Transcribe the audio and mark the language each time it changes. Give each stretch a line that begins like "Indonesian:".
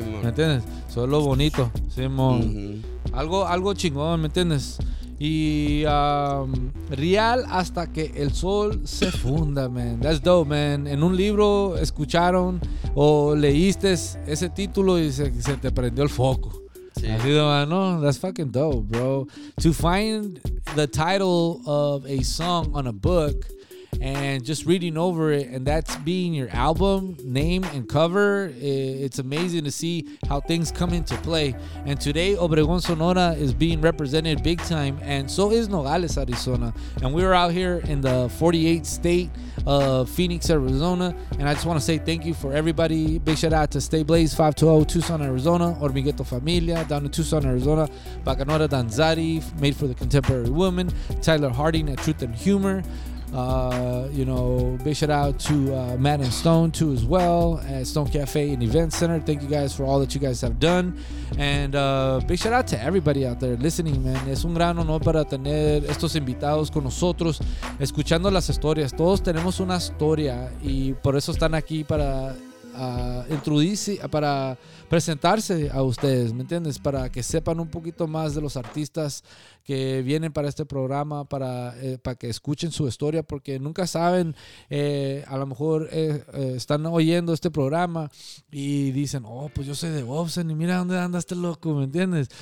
Spanish: ¿me entiendes? Eso es lo bonito, Simón. Uh-huh. Algo chingón, ¿me entiendes? Y real hasta que el sol se funda, man.
English: That's dope, man.
Spanish: En un libro escucharon o leíste ese título y se te prendió el foco. Sí. Así de mano,
English: that's fucking dope, bro. To find the title of a song on a book and just reading over it, and that's being your album name and cover. It's amazing to see how things come into play. And today, Obregón Sonora is being represented big time, and so is Nogales, Arizona. And we are out here in the 48th state of Phoenix, Arizona. And I just want to say thank you for everybody. Big shout out to Stay Blaze 520 Tucson, Arizona, Hormiguito Familia down in Tucson, Arizona, Bacanora Danzari, Made for the Contemporary Woman, Tyler Harding at Truth and Humor. You know, big shout out to Matt and Stone too as well at Stone Cafe and Event Center. Thank you guys for all that you guys have done. And big shout out to everybody out there listening, man.
Spanish: Es un gran honor para tener estos invitados con nosotros, escuchando las historias. Todos tenemos una historia y por eso están aquí, para introducirse, para presentarse a ustedes, ¿me entiendes? Para que sepan un poquito más de los artistas que vienen para este programa, para que escuchen su historia, porque nunca saben, a lo mejor están oyendo este programa y dicen, oh, pues yo soy de Bobsen y mira dónde anda este loco, ¿me entiendes?